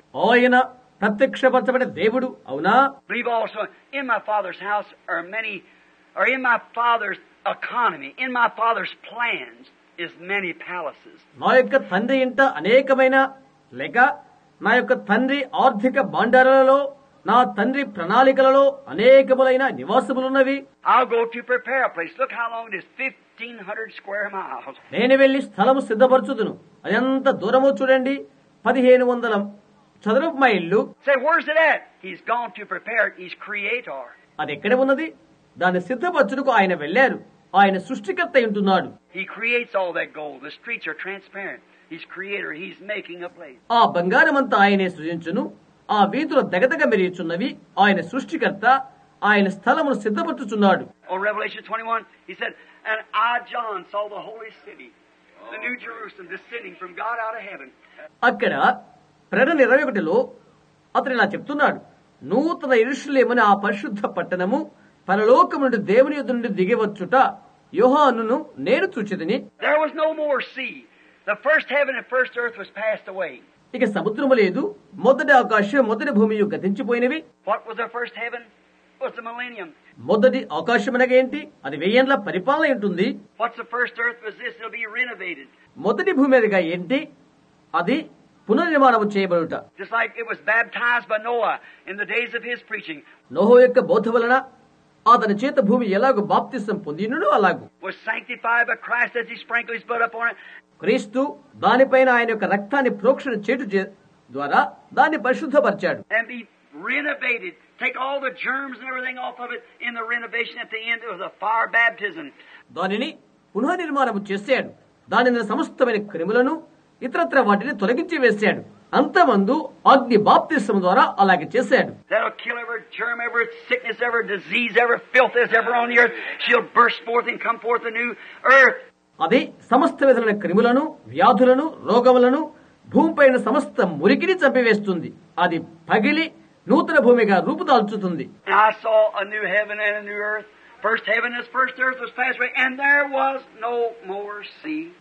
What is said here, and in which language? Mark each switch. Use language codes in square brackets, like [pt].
[te] ఆయన ప్రత్యక్షపరచబడే దేవుడు అవునా? [en] Believe also in my father's house are many, or in my father's economy, in my father's plans is many palaces. [te] నా యొక్క తండ్రి ఇంట అనేకమైన లేక నా యొక్క తండ్రి ఆర్థిక భాండారాలలో నా తండ్రి ప్రణాళికలలో అనేకములైన నివాసములున్నవి. [en] I'll go to prepare a place. Look how long it is, 1500 square miles. [te] నేను వెళ్లి స్థలము సిద్ధపరచుదును, అది ఎంత దూరమో చూడండి, 1500 చదరపు మైళ్ళు. [en] Say, where's it at? He's gone to prepare it. He's creator. [te] అది ఎక్కడ ఉన్నది? దాన్ని సిద్ధపరచుటకు ఆయన వెళ్ళారు, ఆయన సృష్టికర్త ఉంటున్నాడు. [en] He creates all that gold. The streets are transparent. He's creator. He's making a place. [te] ఆ బంగారం అంతా ఆయనే సృజించును, ఆ వీధులు దగదగ మెరుగుచున్నవి, ఆయన సృష్టికర్త, ఆయన స్థలమును సిద్ధపరచుచున్నాడు. [en] On Revelation 21, he said, and I, John, saw the holy city, the new Jerusalem, descending from God out of heaven. [te] అక్కడ ప్రకటన 21 అతను ఇలా చెప్తున్నాడు, నూతన యెరూషలేమును ఆ పరిశుద్ధ పట్టణము పరలోకము నుండి దేవుని యొద్ద నుండి దిగివచ్చుట యోహానును నేను చూచితిని. [en] There was no more sea. The first heaven and first earth was passed away. [te] ఇక సముద్రము లేదు, మొదటి ఆకాశం మొదటి భూమి గతించిపోయినవి. [en] What was the first heaven? It was the millennium. [te] మొదటి ఆకాశం అనగేంటి? అది వెయ్యేళ్ల పరిపాలన ఉంటుంది. [en] What's the first earth? Was this? It'll be renovated. [te] మొదటి భూమి అనగా ఏంటి? అది పునర్నిర్మాణము చేయబడుట. [en] Just like it was baptized by Noah in the days of his preaching. [te] నోహ యొక్క బోధ వలన అతని చేత భూమి ఎలాగో బాప్తిసం పొందినడో అలాగో. [en] Was sanctified by Christ as he sprinkled his blood upon it. [te] క్రీస్తు దానిపైన ఆయన యొక్క రక్తాన్ని ప్రోక్షణ చేటు ద్వారా దాన్ని పరిశుద్ధపరిచాడు. [en] And be renovated. Take all the germs and everything off of it in the renovation at the end. It was a fire baptism. [te] దానిని పునర్నిర్మాణము చేశాడు. దానిని సమస్తమైన క్రిములను ఇతరత్ర వాటిని తొలగించి వేశాడు. అంత ముందు అగ్ని బాప్తిసం ద్వారా అలాగే చేశాడు. [en] That'll kill every germ, every sickness, every disease, every filth that's ever on the earth. She'll burst forth and come forth a new earth. [te] అది సమస్త విధమైన క్రిములను వ్యాధులను రోగములను భూమిపై సమస్త మురికిని చంపివేస్తుంది. అది పగిలి నూతన భూమిగా రూపుదాల్చుతుంది. [en] I saw a new heaven and a new earth. First heaven and first earth was passed away and there was no more sea.